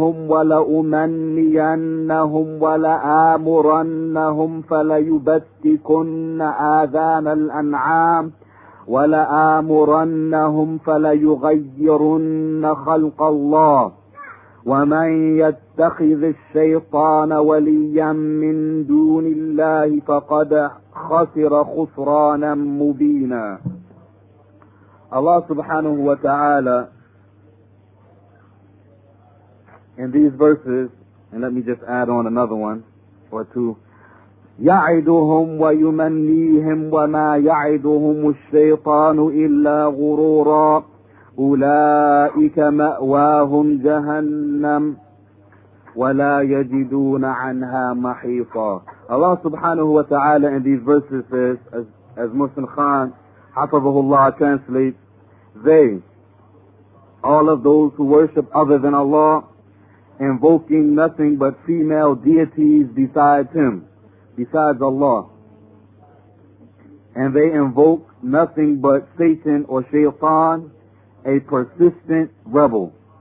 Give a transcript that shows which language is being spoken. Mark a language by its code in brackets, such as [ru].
[ar] ولأمنينهم ولآمرنهم فليبتكن آذان الأنعام ولآمرنهم فليغيرن خلق الله ومن يتخذ الشيطان وليا من دون الله فقد خسر خسرانا مبينا. [en] Allah subhanahu wa ta'ala in these verses, and let me just add on another one or two. [ar] يعدهم ويمنيهم وما يعدهم الشيطان إلا غرورا أولئك مأواهم جهنم ولا يجدون عنها محيطا. [en] Allah subhanahu wa ta'ala in these verses says, as Muhsin Khan [ar] حفظه الله [en] translates, they, all of those who worship other than Allah, invoking nothing but female deities besides him, besides Allah, and they invoke nothing but Satan or Shaytan, a persistent rebel.